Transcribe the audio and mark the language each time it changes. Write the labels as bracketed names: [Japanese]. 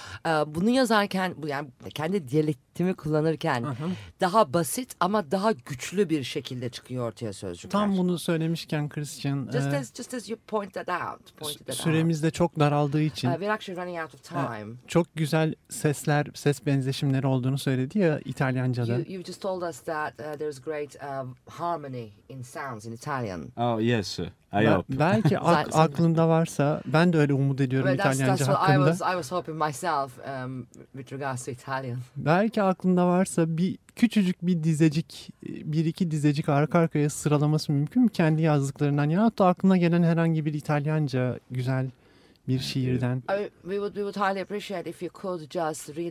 [Turkish] Bunu yazarken, bu yani kendi dialektimi kullanırken uh-huh. daha basit ama daha güçlü bir şekilde çıkıyor ortaya sözcükler. Tam bunu söylemişken Christian... [English] Just as you pointed out. [Turkish] Süremiz de çok daraldığı için... [English] We're actually running out of time. [Turkish] Çok güzel sesler, ses benzeşimleri olduğunu söyledi ya İtalyanca'da. [English] You just told us that there's great harmony in sounds in Italian. Oh yes, I hope. [Turkish] Belki aklında varsa, ben de öyle umut ediyorum [English] that's, [Turkish] İtalyanca [English] that's [Turkish] hakkında. [English] I was hoping myself with regards to Italian. [Turkish] Belki aklında varsa bir küçücük bir dizecik, bir iki dizecik arka arkaya sıralaması mümkün mü kendi yazdıklarından? Ya da aklına gelen herhangi bir İtalyanca güzel bir şiirden. [English] We would highly appreciate if you could just read